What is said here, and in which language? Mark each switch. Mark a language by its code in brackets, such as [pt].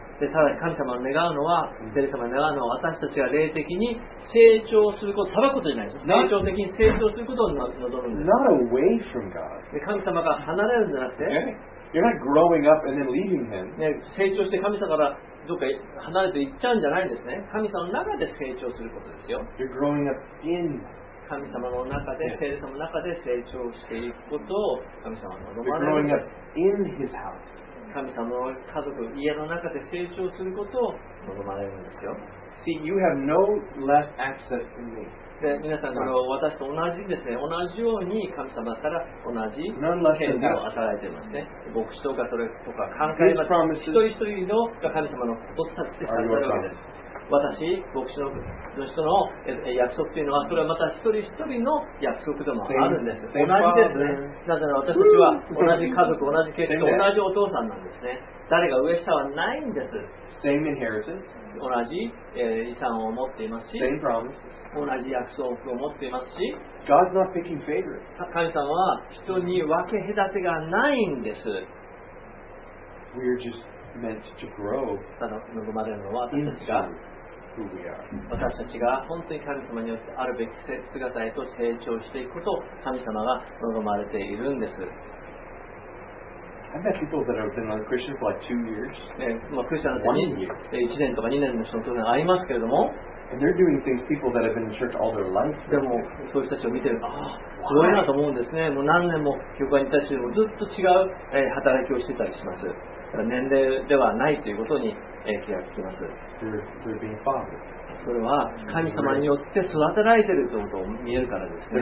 [ja] で、さらに神様願うのは、聖霊様願うのは私たちが霊的に成長すること、ただことじゃないです。成長的に成長することを望むんです。 [en] Not away from God. [ja] で、神様が離れるんじゃなくて。 [en] You're not growing up and then leaving him. [ja] 成長して神様からどこか離れて行っちゃうんじゃないんですね。神様の中で成長することですよ。 [en] You're growing up in [ja] 神様の中で、聖霊様の中で成長していくことを神様は望まれる。 [en] You're growing up in his house. [ja] 神様の家族、家の中で成長することを望まれるんですよ。 [en] See, you have no less access to me. [ja] で皆さんの私と同じですね、同じように神様から同じ権利を与えていますね。牧師とかそれとか関係なく、一人一人の神様のお伝えしているわけです。私、牧師の人の約束というのは、それはまた一人一人の約束でもあるんです。同じですね。なぜなら私たちは同じ家族、同じ権利、同じお父さんなんですね。誰が上下はないんです。 [en] Same inheritance. [ja] 同じ遺産を持っていますし。 [en] Same promise. [ja] 同じ約束を持っていますし、 [en] God's not picking favorites. [ja] 神様は人に分け隔てがないんです。 [en] We're just meant to grow. [ja] その恵まれるのは私たちが、 [en] who we are. [ja] 私たちが本当に神様によってあるべき姿へと成長していくことを神様が望まれているんです。 [en] I met people that have been a Christian for like 2 years. [ja] まあクリスチャンだって 1年とか2年の人と会いますけれども。 [en] And they're doing things people that have been in church all their life. [ja] でもそういう人たちを見てると、すごいなと思うんですね。もう何年も教会に対してもずっと違う、働きをしてたりします。年齢ではないということに、気がつきます。 [en] They're being fathered. [ja] それは神様によって育てられているということを見えるからですね。